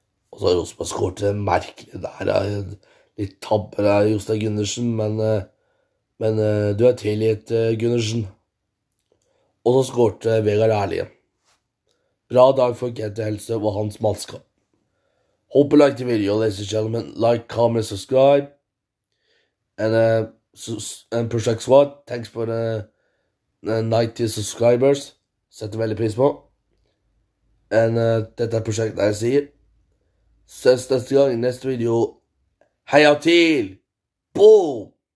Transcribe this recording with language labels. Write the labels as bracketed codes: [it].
[no] Og så har Rosberg skårt det merkelig der. Litt tabber der, Jostein Gunnarsen, men du er tilgitt, Gunnarsen. Og så skårte Vegard Erlig. Bra dag for Kent Helse og hans mannskap. Håper [en] like the video, ladies and gentlemen. Like, comment, subscribe. And Project Squad, thanks for the 90 subscribers. [no] Setter veldig pris på. Dette er prosjektet jeg sier. Ses neste gang i neste video. Heia til! Boom!